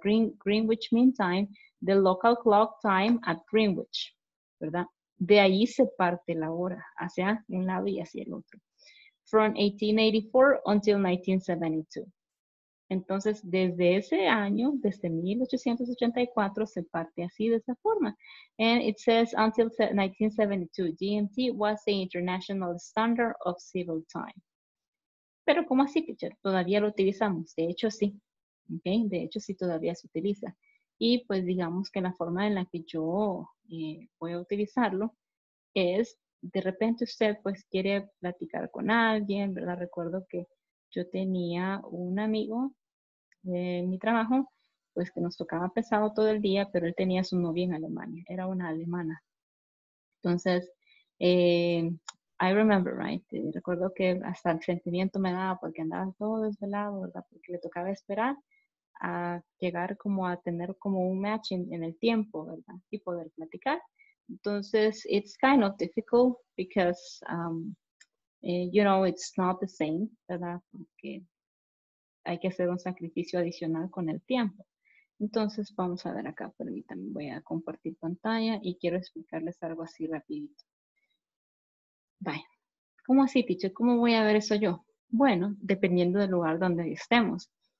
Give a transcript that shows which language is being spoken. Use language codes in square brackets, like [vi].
[en] Greenwich Mean Time, the local clock time at Greenwich, [es] ¿verdad? De ahí se parte la hora, hacia un lado y hacia el otro. [en] From 1884 until 1972. [es] Entonces, desde ese año, desde 1884, se parte así de esa forma. [en] And it says, until 1972, GMT was the international standard of civil time. [es] Pero, ¿cómo así, teacher? ¿Todavía lo utilizamos? De hecho, sí. Okay. De hecho, sí, todavía se utiliza. Y, pues, digamos que la forma en la que yo voy a utilizarlo es, de repente usted, pues, quiere platicar con alguien, ¿verdad? Recuerdo que yo tenía un amigo de mi trabajo, pues, que nos tocaba pesado todo el día, pero él tenía a su novia en Alemania. Era una alemana. [en] Entonces, I remember, right? [es] Recuerdo que hasta el sentimiento me daba porque andaba todo desvelado, ¿verdad? Porque le tocaba esperar a llegar como a tener como un match en el tiempo, ¿verdad? Y poder platicar. [en] Entonces, it's kind of difficult because, you know, it's not the same, [es] ¿verdad? Porque hay que hacer un sacrificio adicional con el tiempo. Entonces, vamos a ver acá. Permítanme, voy a compartir pantalla y quiero explicarles algo así rapidito. Bye. ¿Cómo así, teacher? ¿Cómo voy a ver eso yo? Bueno, dependiendo del lugar donde estemos.